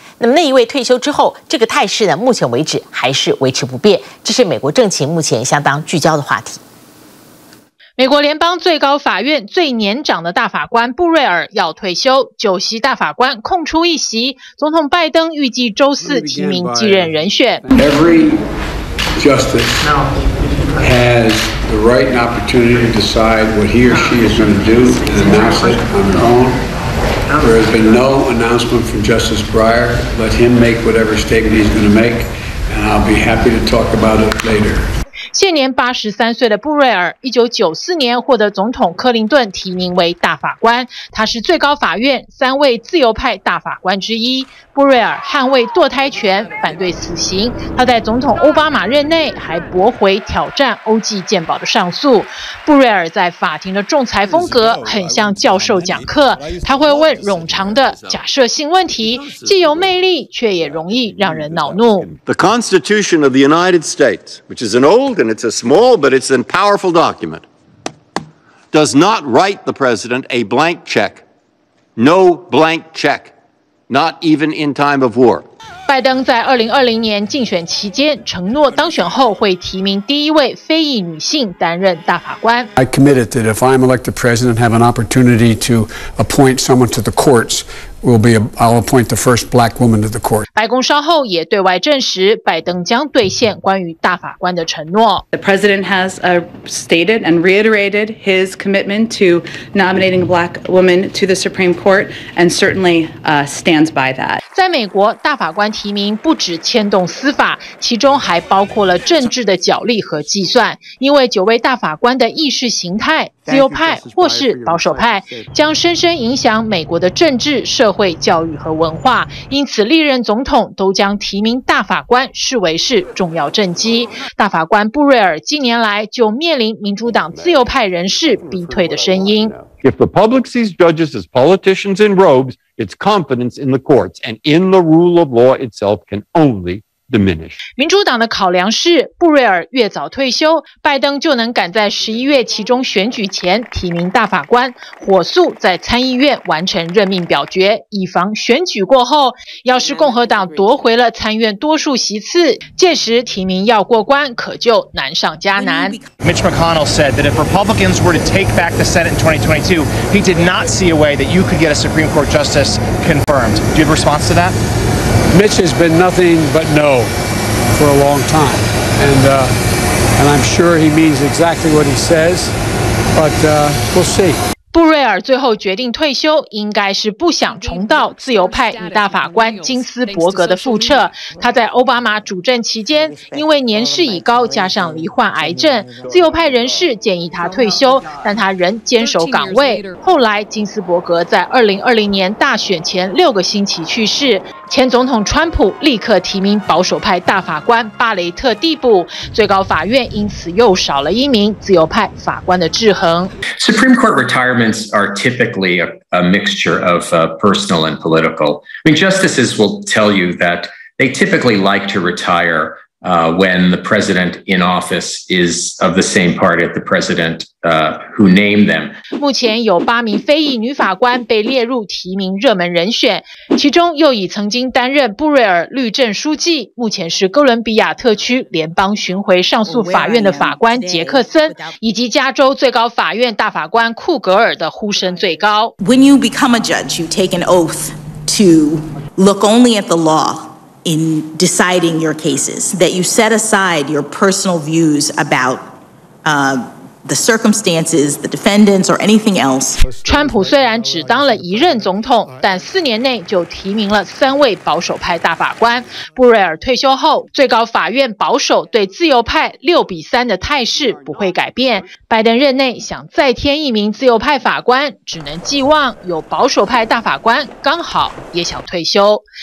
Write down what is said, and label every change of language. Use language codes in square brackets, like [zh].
[zh] 那么那一位退休之后，这个态势呢，目前为止还是维持不变。这是美国政情目前相当聚焦的话题。美国联邦最高法院最年长的大法官布瑞尔要退休，九席大法官空出一席。总统拜登预计周四提名继任人选。 [en] Every justice has the right and opportunity to decide what he or she is going to do and announce it on their own. There has been no announcement from Justice Breyer. Let him make whatever statement he's going to make, and I'll be happy to talk about it later. [zh] 现年83岁的布瑞尔，1994年获得总统克林顿提名为大法官。他是最高法院3位自由派大法官之一。布瑞尔捍卫堕胎权，反对死刑。他在总统奥巴马任内还驳回挑战欧济健保的上诉。布瑞尔在法庭的仲裁风格很像教授讲课，他会问冗长的假设性问题，既有魅力，却也容易让人恼怒。 [en] The Constitution of the United States, which is an old and it's a small but it's a powerful document, does not write the president a blank check. No blank check. Not even in time of war. [zh] 拜登在2020年竞选期间承诺，当选后会提名第一位非裔女性担任大法官。 [en] I committed that if I'm elected president, have an opportunity to appoint someone to the courts. I'll appoint the first black woman to the court. [zh] 白宫稍后也对外证实，拜登将兑现关于大法官的承诺。 [en] The president has stated and reiterated his commitment to nominating a black woman to the Supreme Court, and certainly stands by that. [zh] 在美国，大法官提名不只牵动司法，其中还包括了政治的角力和计算，因为九位大法官的意识形态，自由派或是保守派，将深深影响美国的政治、社会教育和文化，因此历任总统都将提名大法官视为是重要政绩。大法官布瑞尔近年来就面临民主党自由派人士逼退的声音。 [en] If the public sees judges as politicians in robes, its confidence in the courts and in the rule of law itself can only diminish. [zh] 民主党的考量是，布瑞尔越早退休，拜登就能赶在11月其中选举前提名大法官，火速在参议院完成任命表决，以防选举过后，要是共和党夺回了参院多数席次，届时提名要过关可就难上加难。 [en] Mitch McConnell said that if Republicans were to take back the Senate in 2022, he did not see a way that you could get a Supreme Court justice confirmed. Do you have a response to that? Mitch has been nothing but no for a long time, and I'm sure he means exactly what he says, but we'll see. [zh] 布瑞尔最后决定退休，应该是不想重蹈自由派与大法官金斯伯格的覆辙。他在奥巴马主政期间，因为年事已高，加上罹患癌症，自由派人士建议他退休，但他仍坚守岗位。后来，金斯伯格在2020年大选前六个星期去世，前总统川普立刻提名保守派大法官巴雷特递补，最高法院因此又少了一名自由派法官的制衡。 [en] Supreme Court retired. Retirements are typically a mixture of personal and political. I mean, justices will tell you that they typically like to retire when the president in office is of the same party as the president who named them. [zh] 目前有八名非裔女法官被列入提名热门人选，其中又以曾经担任布瑞尔律政书记，目前是哥伦比亚特区联邦巡回上诉法院的法官杰克森，以及加州最高法院大法官库格尔的呼声最高。 [en] When you become a judge, you take an oath to look only at the law. In deciding your cases, that you set aside your personal views about the circumstances, the defendants, or anything else. [zh] 川普虽然只当了一任总统，但四年内就提名了三位保守派大法官。布瑞尔退休后，最高法院保守对自由派6-3的态势不会改变。拜登任内想再添一名自由派法官，只能寄望有保守派大法官刚好也想退休。